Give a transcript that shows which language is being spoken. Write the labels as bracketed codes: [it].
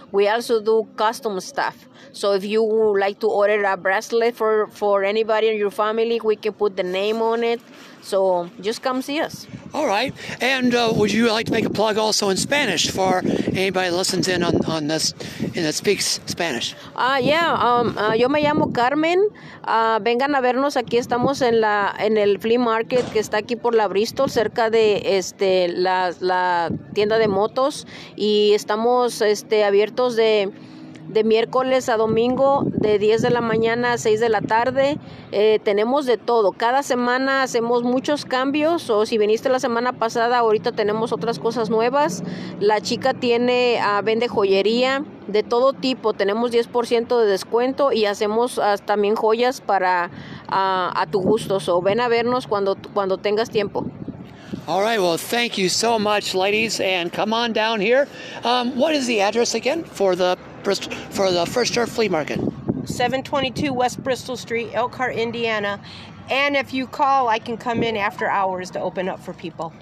[en] We also do custom stuff. So if you would like to order a bracelet for anybody in your family, we can put the name on it. So just come see us. All right. And would you like to make a plug also in Spanish for anybody that listens in on this and that speaks Spanish? [es] Yo me llamo Carmen. Vengan a vernos. Aquí estamos en el flea market que está aquí por la Bristol, cerca de la tienda de motos. Y estamos abiertos de miércoles a domingo, de 10 de la mañana a 6 de la tarde. Tenemos de todo. Cada semana hacemos muchos cambios. O si viniste la semana pasada, ahorita tenemos otras cosas nuevas. La chica tiene vende joyería de todo tipo. Tenemos 10% de descuento y hacemos también joyas para a tu gusto. [en] So, [es] ven a vernos cuando tengas tiempo. [en] All right, well, thank you so much, ladies, and come on down here. What is the address again for the Fresh Start Flea Market? 722 West Bristol Street, Elkhart, Indiana. And if you call, I can come in after hours to open up for people.